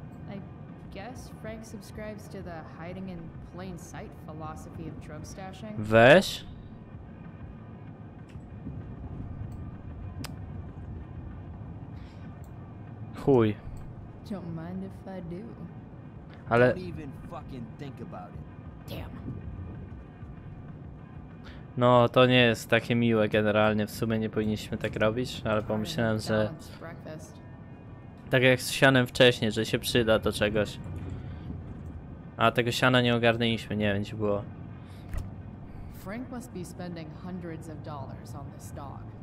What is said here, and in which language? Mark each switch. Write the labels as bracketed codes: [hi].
[en] I guess Frank subscribes to the hiding in plain sight philosophy of drug stashing. [pl] Weź. Chuj. [en] Don't mind if I do. [pl] Ale... [en] Don't even fucking think about it. Damn. [pl] No, to nie jest takie miłe generalnie. W sumie nie powinniśmy tak robić, ale pomyślałem, że... Tak jak z sianem wcześniej, że się przyda do czegoś. A tego siana nie ogarnęliśmy, nie wiem, gdzie było. [en] Frank must be spending hundreds of dollars on this dog.